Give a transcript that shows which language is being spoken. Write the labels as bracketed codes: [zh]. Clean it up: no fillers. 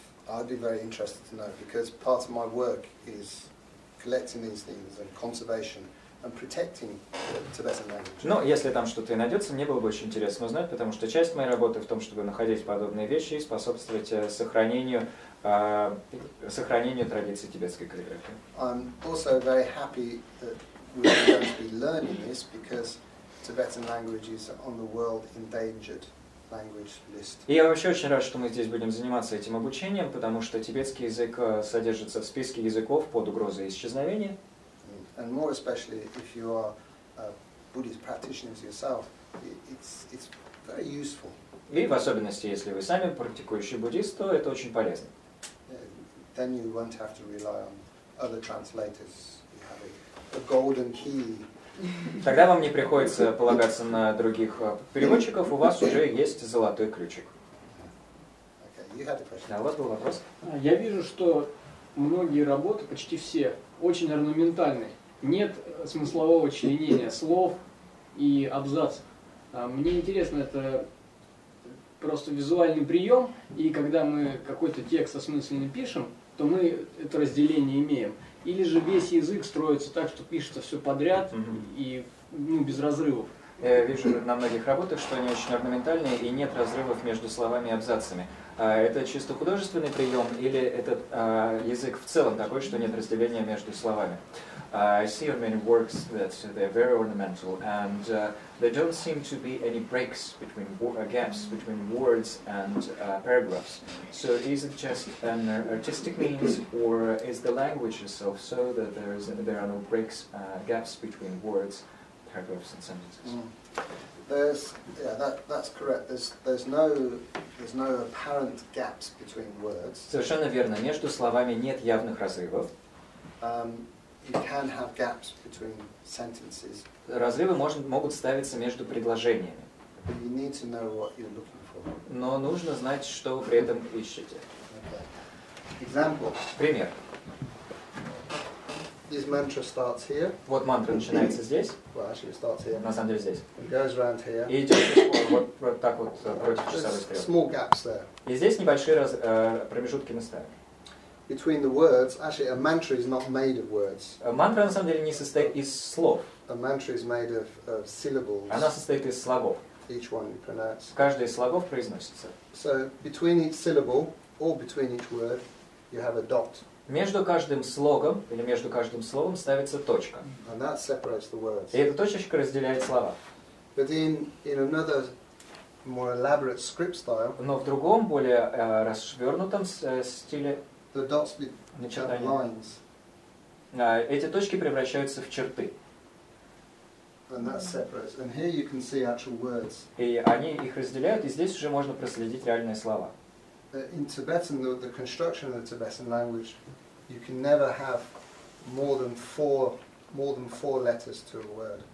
[en] I'd be very interested to know, because part of my work is collecting these things and conservation. And protecting Tibetan language. [ru] Но если там что-то и найдется, мне было бы очень интересно узнать, потому что часть моей работы в том, чтобы находить подобные вещи и способствовать сохранению традиции тибетской каллиграфии. [en] I'm also very happy that we're going to be learning this because Tibetan language is on the world endangered language list. [ru] И я вообще очень рад, что мы здесь будем заниматься этим обучением, потому что тибетский язык содержится в списке языков под угрозой исчезновения. [en] And more especially if you are a Buddhist practitioner yourself, it's very useful. [ru] И в особенности, если вы сами практикующий буддист, то это очень полезно. [en] Then you won't have to rely on other translators. You have a golden key. [ru] Тогда вам не приходится полагаться на других переводчиков, у вас уже есть золотой ключик. [en] Okay, you had a question. [ru] Да, у вас был вопрос. Я вижу, что многие работы, почти все, очень орнаментальные. Нет смыслового членения слов и абзацев. Мне интересно, это просто визуальный прием, и когда мы какой-то текст осмысленно пишем, то мы это разделение имеем. Или же весь язык строится так, что пишется все подряд и без разрывов. Я вижу на многих работах, что они очень орнаментальные и нет разрывов между словами и абзацами. Это чисто художественный прием или этот язык в целом такой, что нет разделения между словами? [en] I see on many works that they're very ornamental, and there don't seem to be any breaks between gaps between words and paragraphs. So is it just an artistic means, or is the language itself so that there are no breaks, gaps between words, paragraphs, and sentences? That's correct. There's no apparent gaps between words. [ru] Совершенно верно. Между словами нет явных разрывов. [en] You can have gaps between sentences. [ru] Разрывы могут ставиться между предложениями. [en] You need to know what you're looking for. [ru] Но нужно знать, что вы при этом ищете. [en] Okay. Example. [ru] Пример. [en] This mantra starts here. [ru] Вот мантра начинается здесь. [en] Well, actually, it starts here. [ru] На самом деле здесь. [en] It goes round here. [ru] И идет вот так вот против часовой стрелки. [en] There's small gaps there. [ru] И здесь небольшие промежутки местами. [en] Between the words, actually, a mantra is not made of words. A mantra, [ru] на самом деле, не состоит из слов. [en] A mantra is made of syllables. [ru] Она состоит из слогов. [en] Each one you pronounce. [ru] Каждый из слогов произносится. [en] So between each syllable or between each word, you have a dot. [ru] Между каждым слогом или между каждым словом ставится точка. [en] And that separates the words. [ru] И эта точечка разделяет слова. [en] But in another more elaborate script style. [ru] Но в другом более расшвёрнутом стиле. [en] The dots become lines. [ru] Эти точки превращаются в черты. [en] And that separates. And here you can see actual words. [ru] И они их разделяют, и здесь уже можно проследить реальные слова. [en] In Tibetan, the construction of the Tibetan language, you can never have more than four letters to a word.